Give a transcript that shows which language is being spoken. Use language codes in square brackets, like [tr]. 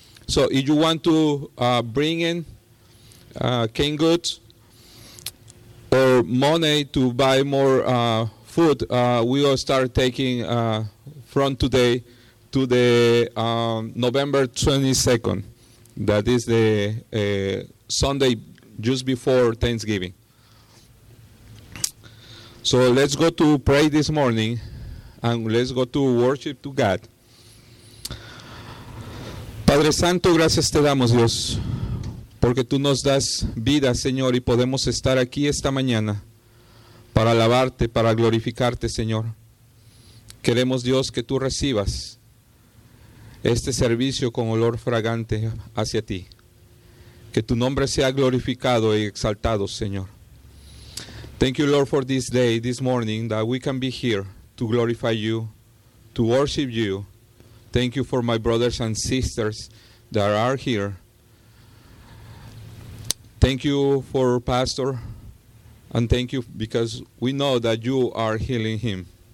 [en] So if you want to bring in canned goods or money to buy more food, we will start taking from today to the November 22nd. That is the Sunday just before Thanksgiving. So let's go to pray this morning and let's go to worship to God. [es] Padre Santo, gracias te damos, Dios, porque tú nos das vida, Señor, y podemos estar aquí esta mañana para alabarte, para glorificarte, Señor. Queremos, Dios, que tú recibas este servicio con olor fragante hacia ti. Que tu nombre sea glorificado y exaltado, Señor. [en] Thank you, Lord, for this day, this morning, that we can be here to glorify you, to worship you. Thank you for my brothers and sisters that are here. Thank you for Pastor, and thank you because we know that you are healing him.